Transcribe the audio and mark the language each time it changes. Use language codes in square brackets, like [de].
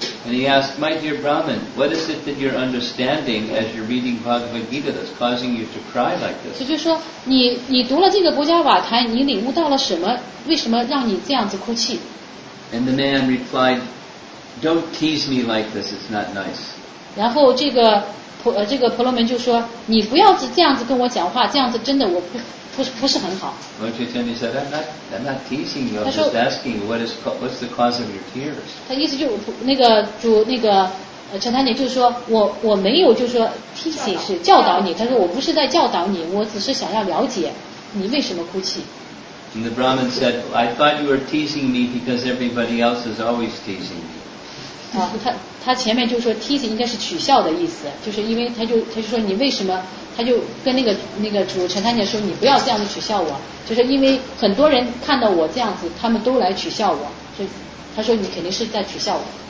[en] And he asked, "My dear Brahmin, what is it that you're understanding as you're reading Bhagavad Gita that's causing you to cry like this?" [zh] 就是说，你读了这个《国家瓦坛》，你领悟到了什么？为什么让你这样子哭泣 [en] ？And the man replied, "Don't tease me like this. It's not nice." [zh] 然后这个婆罗门就说，你不要这样子跟我讲话，这样子真的我不是很好。 [en] Lord Chaitanya said, I'm not teasing you, I'm just asking you what's the cause of your tears. [zh] 他意思就那个主那个Chaitanya就说我没有就说 teasing 是教导你，他说我不是在教导你，我只是想要了解你为什么哭泣。 [en] And the Brahmin said, I thought you were teasing me because everybody else is always teasing me. [zh] 啊，他前面就说 tease 应该是取笑的意思，就是因为他就说你为什么，他就跟那个主陈太监说你不要这样子取笑我，就是因为很多人看到我这样子，他们都来取笑我，就他说你肯定是在取笑我。